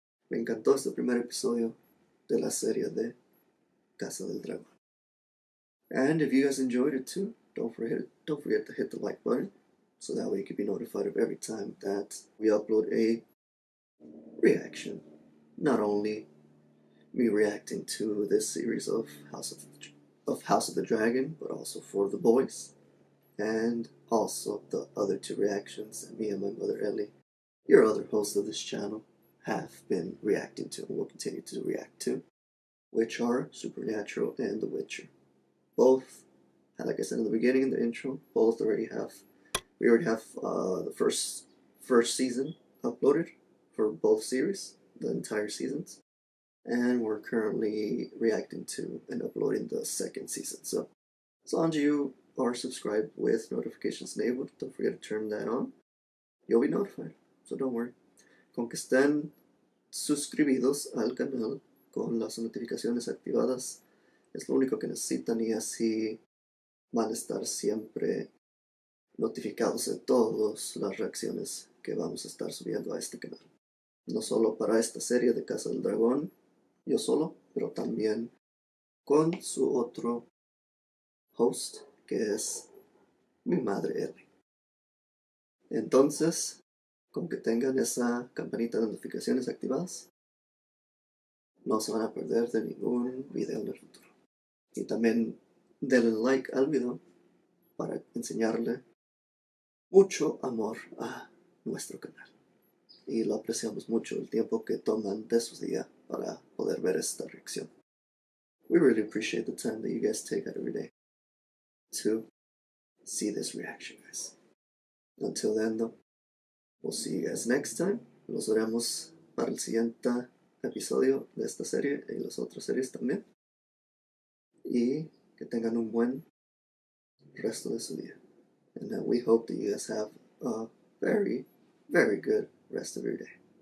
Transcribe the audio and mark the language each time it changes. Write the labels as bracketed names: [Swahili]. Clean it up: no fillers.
[Spanish] Me encantó este primer episodio de la serie de Casa del Dragón. [English] And if you guys enjoyed it too, don't forget to hit the like button, so that way you can be notified of every time that we upload a reaction. Not only me reacting to this series of House of the Dragon, but also for the boys, and also the other two reactions that me and my mother Ellie, your other host of this channel, have been reacting to and will continue to react to, which are Supernatural and The Witcher. Both, like I said in the beginning in the intro, we already have the first season uploaded for both series. The entire seasons, and we're currently reacting to and uploading the second season. So As long as you are subscribed with notifications enabled, don't forget to turn that on. You'll be notified, so don't worry. [Spanish] Con que estén suscribidos al canal con las notificaciones activadas, es lo único que necesitan y así van a estar siempre notificados de todas las reacciones que vamos a estar subiendo a este canal. No solo para esta serie de Casa del Dragón, yo solo, pero también con su otro host, que es mi madre Eli. Entonces, con que tengan esa campanita de notificaciones activadas, no se van a perder de ningún video en el futuro. Y también denle like al video para enseñarle mucho amor a nuestro canal. Y lo apreciamos mucho el tiempo que toman de su día para poder ver esta reacción. [English] We really appreciate the time that you guys take out every day to see this reaction, guys. Until then, though, we'll see you guys next time. [Spanish] Los veremos para el siguiente episodio de esta serie y las otras series también. Y que tengan un buen resto de su día. [English] And we hope that you guys have a very, very good rest of your day.